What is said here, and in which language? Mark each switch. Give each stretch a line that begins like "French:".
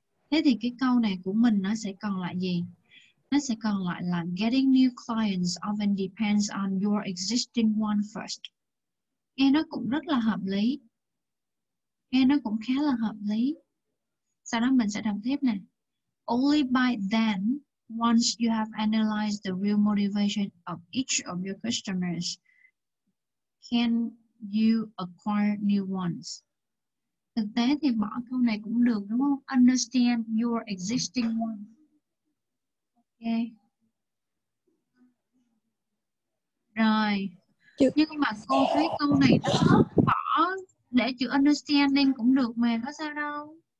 Vietnamese: Thế thì cái câu này của mình nó sẽ còn lại gì? Nó sẽ còn lại là
English: getting new clients often depends on your existing one first.
Vietnamese: Nghe nó cũng rất là hợp lý. Nghe nó cũng khá là hợp lý. Sau đó mình sẽ đọc tiếp nè.
English: Only by then, once you have analyzed the real motivation of each of your customers, can you acquire new ones?
Vietnamese: Thực tế thì bỏ câu này cũng được đúng không?
English: Understand your existing one. Okay.
Vietnamese: Rồi. Nhưng mà cô thấy câu này nó bỏ để chữ understanding cũng được mà có sao đâu.